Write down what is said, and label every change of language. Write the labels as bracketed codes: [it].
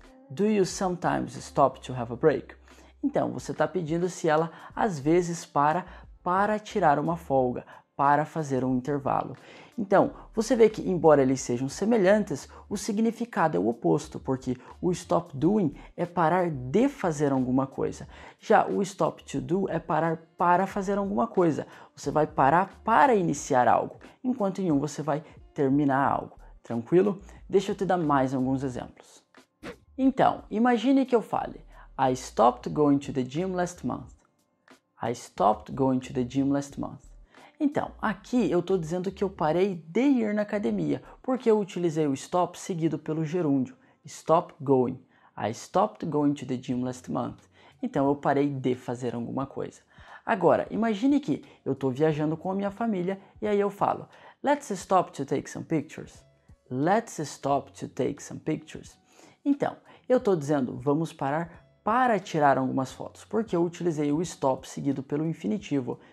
[en] Do you sometimes stop to have a break? [pt] Então, você está pedindo se ela às vezes para tirar uma folga, para fazer um intervalo. Então, você vê que embora eles sejam semelhantes, o significado é o oposto, porque o stop doing é parar de fazer alguma coisa. Já o stop to do é parar para fazer alguma coisa. Você vai parar para iniciar algo, enquanto em um você vai terminar algo. Tranquilo? Deixa eu te dar mais alguns exemplos. Então, imagine que eu fale, [en] I stopped going to the gym last month. I stopped going to the gym last month. [pt] Então, aqui eu estou dizendo que eu parei de ir na academia, porque eu utilizei o stop seguido pelo gerúndio. [en] Stop going. I stopped going to the gym last month. [pt] Então, eu parei de fazer alguma coisa. Agora, imagine que eu estou viajando com a minha família e aí eu falo, [en] let's stop to take some pictures. Let's stop to take some pictures. [pt] Então, eu estou dizendo, vamos parar para tirar algumas fotos, porque eu utilizei o stop seguido pelo infinitivo.